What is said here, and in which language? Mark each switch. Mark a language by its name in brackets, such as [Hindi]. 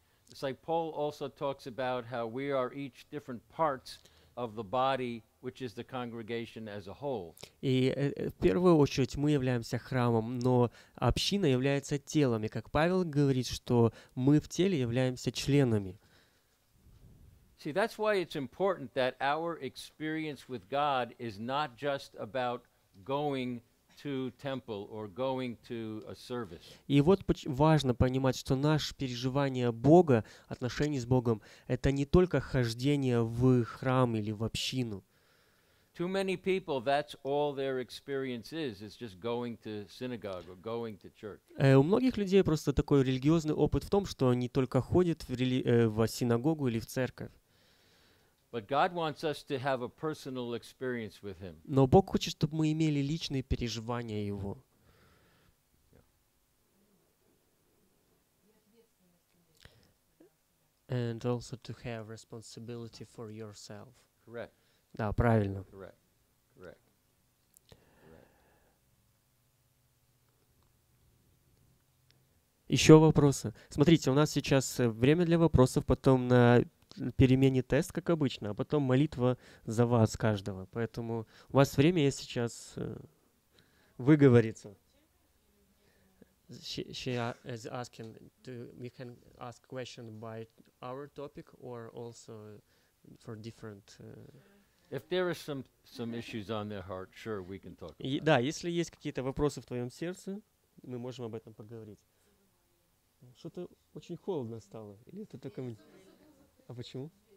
[English] It's like Paul also talks about how we are each different parts of the body, which is the congregation as a whole. [Russian] И в первую очередь мы являемся храмом, но община является телом. И как Павел говорит, что мы в теле являемся членами. [English] See, that's why it's important that our experience with God is not just about going to temple or going to a service. [Russian] И вот важно понимать, что наше переживание Бога, отношение с Богом, это не только хождение в храм или в общину. [English] Too many people, that's all their experience is just going to synagogue or going to church. [Russian] У многих людей просто такой религиозный опыт в том, что они только ходят в синагогу или в церковь. [English] But God wants us to have a personal experience with Him. [Russian] Но Бог хочет, чтобы мы имели личные переживания Его. [English] And also to have responsibility for yourself. Correct. [Russian] Да, правильно. [English] Correct. Correct. Correct. [Russian] Еще вопросы. Смотрите, у нас сейчас время для вопросов, потом на перемене тест, как обычно, а потом молитва за вас каждого. Поэтому у вас время есть сейчас выговориться. [English] She is asking, do we can ask question by our topic or also for different. If there are some issues on their heart, sure, we can talk about. [Russian] Да, если есть какие-то вопросы в твоем сердце, мы можем об этом поговорить. Что-то очень холодно стало. Или это только... А почему?